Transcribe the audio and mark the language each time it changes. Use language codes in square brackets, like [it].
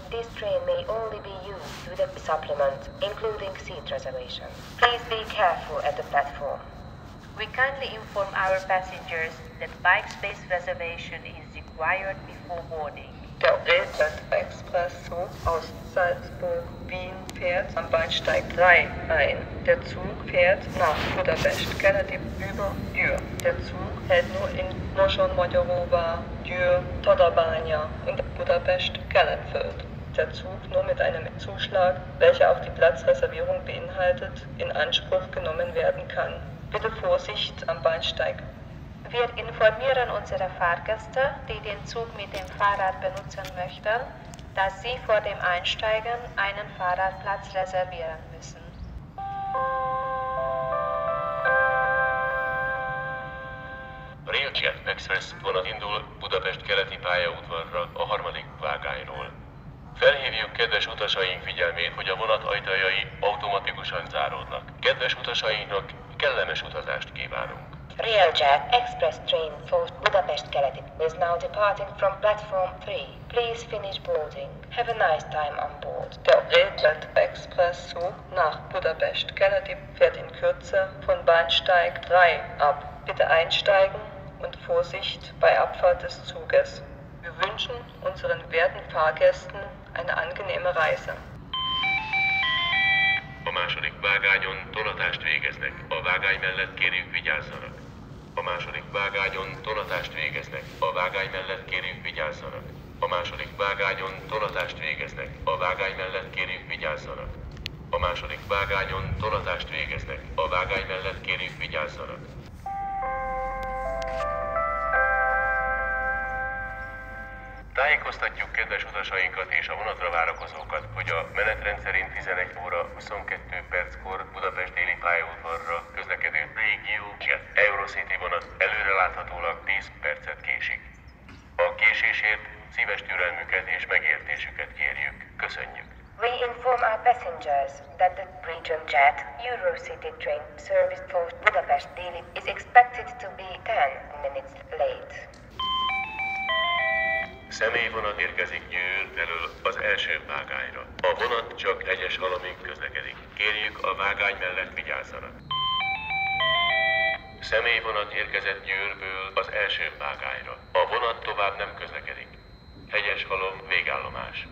[en] This train may only be used to the supplement, including seat reservation. Please be careful at the platform. We kindly inform our passengers that bike space reservation is required before boarding. [de] Der Railjet Express Zug aus Salzburg-Wien fährt am Bahnsteig 3 ein. Der Zug fährt nach Budapest Kennedy über Győr. Der Zug hält nur in Moson-Magyaróvár, Győr, Tatabánya und Budapest Kelenföld. Der Zug nur mit einem Zuschlag, welcher auch die Platzreservierung beinhaltet, in Anspruch genommen werden kann. Bitte Vorsicht am Bahnsteig. Wir informieren unsere Fahrgäste, die den Zug mit dem Fahrrad benutzen möchten, dass sie vor dem Einsteigen einen Fahrradplatz reservieren müssen. [hu] Railjet Express vonat indul Budapest keleti pályaudvarra a harmadik vágányról. Felhívjuk kedves utasaink figyelmét, hogy a vonat ajtajai automatikusan záródnak. Kedves utasainknak kellemes utazást kívánunk! [en] Railjet Express Train for Budapest Keleti is now departing from Platform 3. Please finish boarding. Have a nice time on board. [de] Der Railjet Express Zug nach Budapest Keleti fährt in Kürze von Bahnsteig 3 ab. Bitte einsteigen und Vorsicht bei Abfahrt des Zuges. Wir wünschen unseren werten Fahrgästen eine angenehme Reise. [hu] A második vágányon tolatást végeznek. A vágány mellett kérjük vigyázzanak. A második vágányon tolatást végeznek. A vágány mellett kérjük vigyázzanak. A második vágányon tolatást végeznek. A vágány mellett kérjük vigyázzanak. A második vágányon tolatást végeznek. A vágány mellett kérjük vigyázzanak. Tájékoztatjuk kedves utasainkat és a vonatra várakozókat, hogy a menetrend szerint 11 óra 22 perckor Budapest déli pályaudvarra közlekedő RegioJet Eurocity vonat előreláthatólag 10 percet késik. A késésért szíves türelmüket és megértésüket kérjük. Köszönjük! [en] We inform our passengers that the RegioJet Eurocity train service for Budapest daily is expected to be 10 minutes late. [hu] Személyvonat érkezik Győr felől az első vágányra. A vonat csak egyes halomig közlekedik. Kérjük, a vágány mellett vigyázzanak. Személyvonat érkezett Győrből az első vágányra. A vonat tovább nem közlekedik. Egyes halom végállomás.